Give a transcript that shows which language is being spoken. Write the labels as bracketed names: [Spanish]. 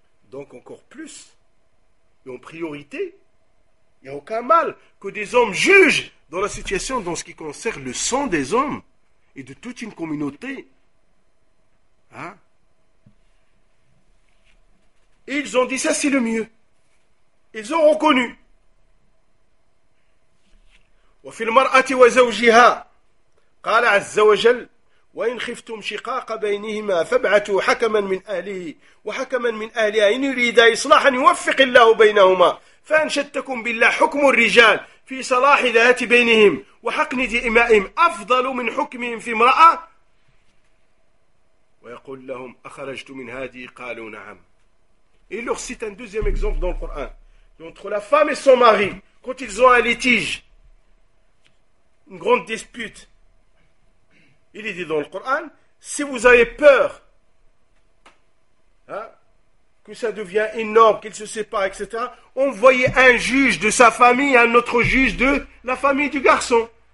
[French] Donc encore plus, et en priorité, il n'y a aucun mal que des hommes jugent dans la situation, dans ce qui concerne le sang des hommes et de toute une communauté. Hein? Et ils ont dit, ça c'est le mieux. Ils ont reconnu. [Arabic] وفي المرأة وزوجها قال عز وجل وإن خفتم شقاق بينهما فابعثوا حكما من أهله وحكما من أهلها إن يريدا إصلاحا يوفق الله بينهما فأنشدتكم بالله حكم الرجال في صلاح ذات بينهم وحقن دمائهم أفضل من حكمهم في امرأة ويقول لهم أخرجت من هذه قالوا نعم [French] Il leur cite un deuxième exemple dans le Coran. Entre la femme et son mari, quand ils ont un litige, une grande dispute. Il est dit dans le Coran, si vous avez peur hein, que ça devienne énorme, qu'il se sépare, etc., envoyez un juge de sa famille, un autre juge de la famille du garçon.